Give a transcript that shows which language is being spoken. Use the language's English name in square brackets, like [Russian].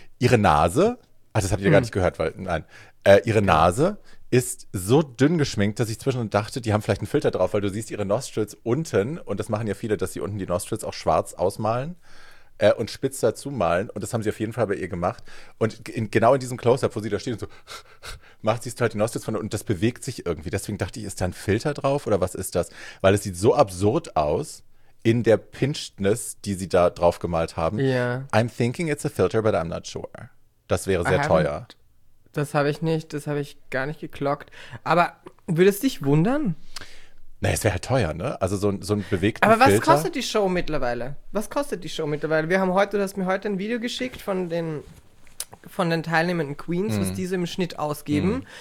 [German] Ihre Nase, also das habt ihr gar nicht gehört, weil nein. Ihre Nase ist so dünn geschminkt, dass ich zwischendurch dachte, die haben vielleicht einen Filter drauf, weil du siehst ihre Nostrils unten, und das machen ja viele, dass sie unten die Nostrils auch schwarz ausmalen und spitz dazu malen. Und das haben sie auf jeden Fall bei ihr gemacht. Und genau in diesem Close-Up, wo sie da steht und so, macht sie halt die Nostrils von und das bewegt sich irgendwie. Deswegen dachte ich, ist da ein Filter drauf oder was ist das? Weil es sieht so absurd aus. In der Pinchedness, die sie da drauf gemalt haben. [English] Yeah. I'm thinking it's a filter, but I'm not sure. [German] Das wäre sehr teuer. Das habe ich nicht, das habe ich gar nicht geklockt. Aber würde es dich wundern? Nee, es wäre halt teuer, ne? Also so ein bewegten Aber Filter. Aber was kostet die Show mittlerweile? Wir haben heute, du hast mir heute ein Video geschickt von den teilnehmenden Queens, was diese im Schnitt ausgeben.